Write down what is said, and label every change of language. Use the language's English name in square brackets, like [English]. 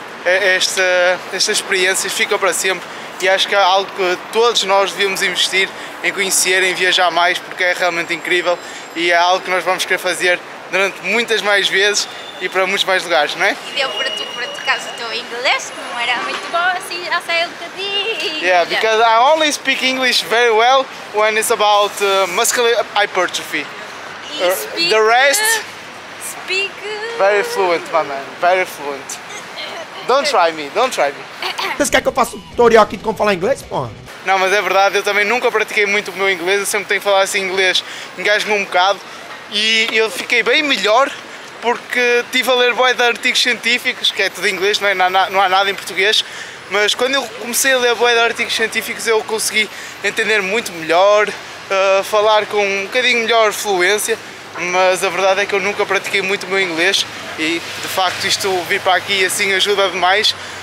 [Portuguese] esta experiência fica para sempre, e acho que é algo que todos nós devíamos investir em conhecer, em viajar mais, porque é realmente incrível e é algo que nós vamos querer fazer durante muitas mais vezes e para muitos mais lugares, não é? E deu para tu, para tocares o teu inglês, que não era muito bom, assim já sei um bocadinho. [English] Yeah, because I only speak English very well when it's about muscular hypertrophy. The rest... Speak... Very fluent, my man, very fluent. Don't try me. [Portuguese] Mas quer que eu faça um tutorial aqui de como falar inglês, pô? Não, mas é verdade, eu também nunca pratiquei muito o meu inglês, eu sempre tenho que falar assim inglês, engasgo-me um bocado. E eu fiquei bem melhor porque estive a ler bué de artigos científicos, que é tudo em inglês, não há nada em português, mas quando eu comecei a ler bué de artigos científicos eu consegui entender muito melhor, falar com um bocadinho melhor fluência, mas a verdade é que eu nunca pratiquei muito o meu inglês e de facto isto vir para aqui assim ajuda demais.